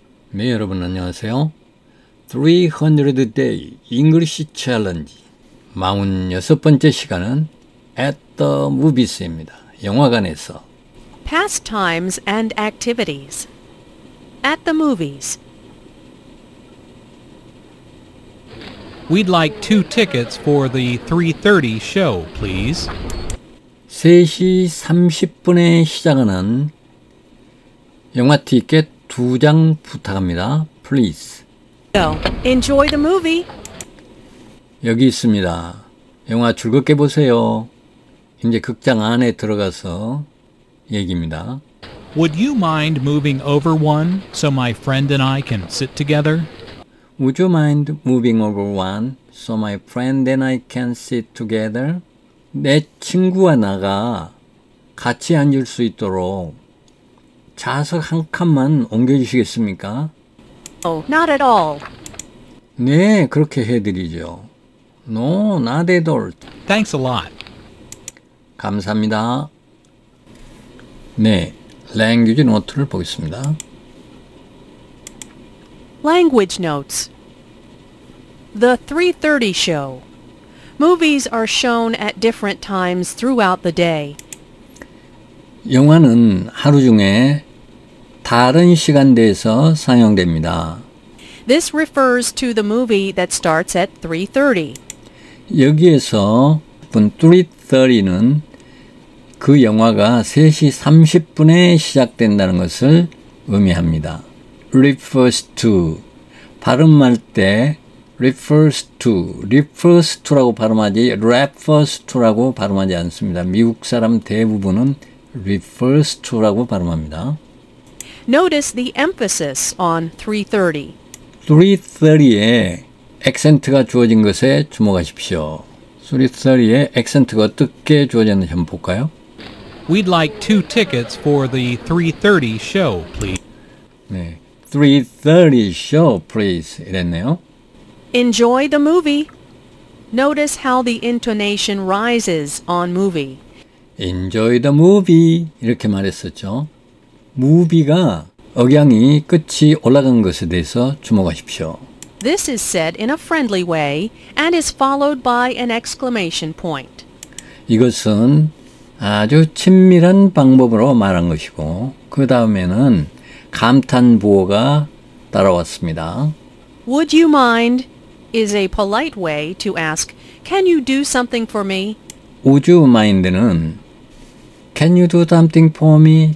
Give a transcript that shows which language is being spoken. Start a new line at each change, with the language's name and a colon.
Korean: 네, 여러분 안녕하세요.
English: 300 Day English Challenge
Korean: 46번째 시간은 At the Movies입니다. 영화관에서
English: Pastimes and Activities At the Movies We'd like two tickets for the 3:30 show, please.
Korean: 3시 30분에 시작하는 영화 티켓 두 장 부탁합니다.
English: Please. So, enjoy the movie.
Korean: 여기 있습니다. 영화 즐겁게 보세요. 이제 극장 안에 들어가서 얘기입니다.
English: Would you mind moving over one so my friend and I can sit together? Would you mind moving over one so my friend and I can sit together?
Korean: 내 친구와 나가 같이 앉을 수 있도록 좌석 한 칸만 옮겨주시겠습니까?
English: Oh, not at all.
Korean: 네, 그렇게 해드리죠.
English: No, not at all. Thanks a lot.
Korean: 감사합니다. 네, language note를 보겠습니다.
English: Language notes. The 3:30 show. Movies are shown at different times throughout the day.
Korean: 영화는 하루 중에 다른 시간대에서 상영됩니다.
English: This refers to the movie that starts at 3:30.
Korean: 여기에서 3:30는 그 영화가 3시 30분에 시작된다는 것을 의미합니다. Refers to 발음할 때 refers to라고 발음하지 refers to라고 발음하지 않습니다. 미국 사람 대부분은 refers to라고 발음합니다.
English: Notice the emphasis on 3:30.
Korean: 3:30에 액센트가 주어진 것에 주목하십시오. 3:30에 액센트가 어떻게 주어졌는지 한번 볼까요?
English: We'd like two tickets for the 3:30 show, please.
Korean: 네.
English: 3:30 show, please.
Korean: 이랬네요.
English: Enjoy the movie. Notice how the intonation rises on movie. Enjoy the movie.
Korean: 이렇게 말했었죠. movie가 억양이 끝이 올라간 것에 대해서 주목하십시오.
English: This is said in a friendly way and is followed by an exclamation point.
Korean: 이것은 아주 친밀한 방법으로 말한 것이고 그 다음에는 감탄부호가 따라왔습니다.
English: Would you mind is a polite way to ask, can you do something for me? Would you mind는 Can you do something for me?